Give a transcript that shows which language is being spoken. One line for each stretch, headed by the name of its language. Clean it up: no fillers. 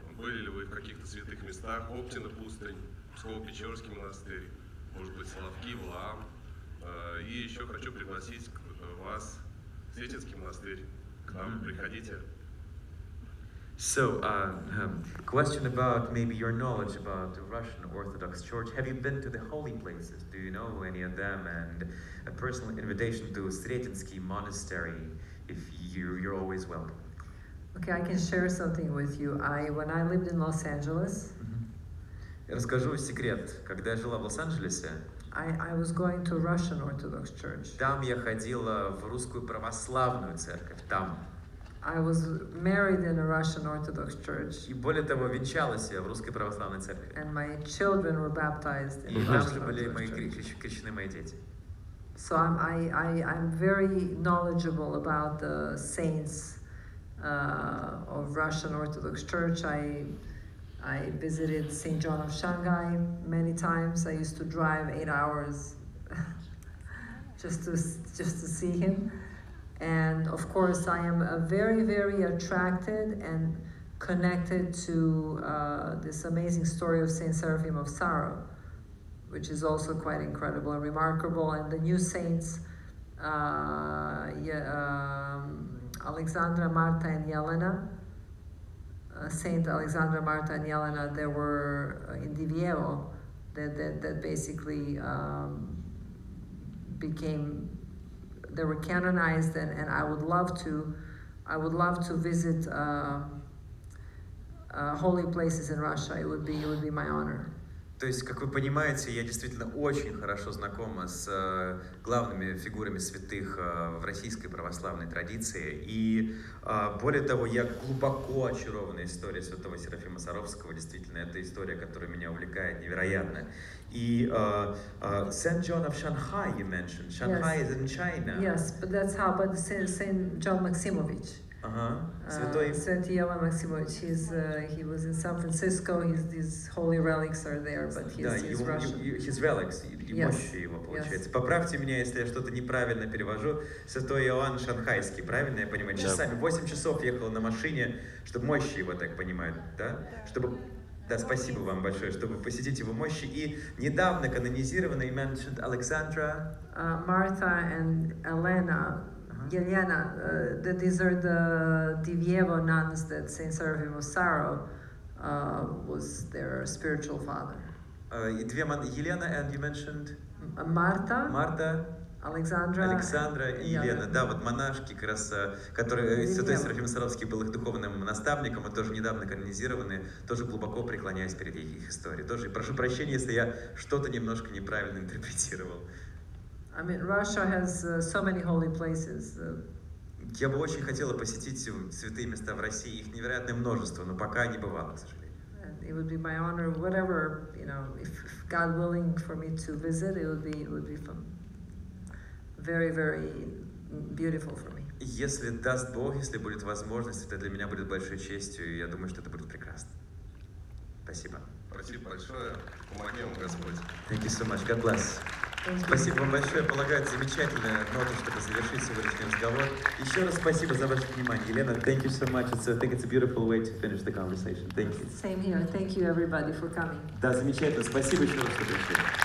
Russian: Были ли вы в каких-то святых местах, Оптина пустынь, Псково-Печорский монастырь, может быть, Соловки, Валаам? И еще хочу пригласить вас в Сретенский монастырь. К нам приходите.
English: So, question about maybe your knowledge about the Russian Orthodox Church. Have you been to the holy places? Do you know any of them? And a personal invitation to Sretenskiy Monastery, if you're always welcome. Okay, I can share something with you. When I lived in Los Angeles,
Russian: я расскажу секрет. Когда я жила в Лос-Анджелесе,
English: I was going to Russian Orthodox Church.
Russian: Там я ходила в русскую православную церковь. Там.
English: I was married in a Russian Orthodox Church.
Russian: И более того, венчалась я в русской православной церкви.
English: And my children were baptized in Russian Orthodox Church.
Russian: И там же были мои крещены мои дети.
English: So I'm very knowledgeable about the saints of Russian Orthodox Church. I visited St. John of Shanghai many times. I used to drive 8 hours just to see him. And of course, I am a very, very attracted and connected to this amazing story of Saint Seraphim of Sarov, which is also quite incredible and remarkable. And the new saints, Alexandra, Marta, and Yelena. Saint Alexandra, Marta, and Yelena, they were in Divievo, that basically became. They were canonized, and I would love to visit holy places in Russia. It would be my honor.
Russian: То есть, как вы понимаете, я действительно очень хорошо знакома с главными фигурами святых в российской православной традиции. И более того, я глубоко очарован историей святого Серафима Саровского. Действительно, это история, которая меня увлекает невероятно.
English: И Saint John of Shanghai, you mentioned. Shanghai yes. is in China. Yes, but that's how, but Saint John Maximovich. Saint Yelena Maximovich, he was in San Francisco, his holy relics are there, but he's Russian. His relics,
Russian: его, получается. Поправьте меня, если я что-то неправильно перевожу. Святой Иоанн Шанхайский, правильно я понимаю? Часами, 8 часов ехала на машине, чтобы мощи его, так понимают, да? Чтобы... Да, спасибо вам большое, чтобы посетить его мощи. И недавно канонизированный,
English: mentioned
Russian: Alexandra...
English: Martha and Elena... Yelena, these are the Divievo nuns that Saint Seraphim of Sarov was their spiritual father. Yelena, and you mentioned? Marta. Marta. Alexandra
Russian: и Елена, да, вот монашки, как раз, которые Елена. Святой Серафим Саровский был их духовным наставником, и тоже недавно канонизированы, тоже глубоко преклоняясь перед их историей. Тоже прошу прощения, если я что-то немножко неправильно интерпретировал.
English: I mean, Russia has so many holy places.
Russian: Я бы очень хотела посетить святые места в России. Их невероятное множество, но пока не бывало, к сожалению.
English: It would be my honor, whatever, you know, if God willing for me to visit, it would be fun. Very, very beautiful for me.
Russian: Если даст Бог, если будет возможность, это для меня будет большой честью, и я думаю, что это будет прекрасно. Спасибо. Спасибо большое. Помоги вам, Господь.
English: Thank you so much. God bless.
Russian: Спасибо вам большое. Полагаю, замечательная нота, чтобы завершить сегодняшний разговор. Еще раз спасибо за ваше внимание.
English: Елена, thank you so much. I think it's a beautiful way to finish the conversation. Thank you. Same here. Thank you, everybody, for coming.
Russian: Да, замечательно. Спасибо еще раз, что пришли.